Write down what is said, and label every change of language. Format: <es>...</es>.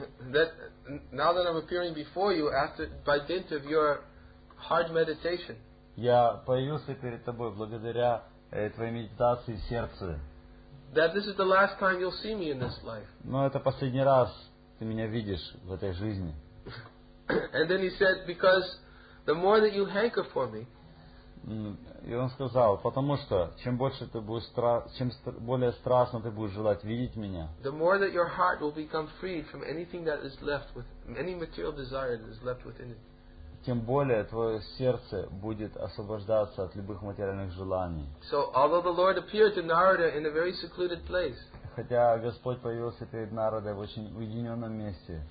<en>That now that I'm appearing before you after by dint of your hard meditation.</en> <ru>Я появился перед тобой благодаря твоей медитации сердца.</ru> <en>That this is the last time you'll see me in this life.</en> <ru>Но это последний раз ты меня видишь в этой жизни.</ru> <en>And then he said, because the more that you hanker for me.</en> <ru>И он сказал, потому что чем больше ты будешь чем более страстно ты будешь желать видеть меня.</ru> <en>The more that your heart will become freed from anything that is left with any material desire that is left within it.</en> <ru>Тем более твое сердце будет освобождаться от любых материальных желаний.</ru> <en>So although the Lord appeared to Narada in a very secluded place.</en> <ru>Хотя Господь появился перед Нарадой в очень уединенном месте.</ru>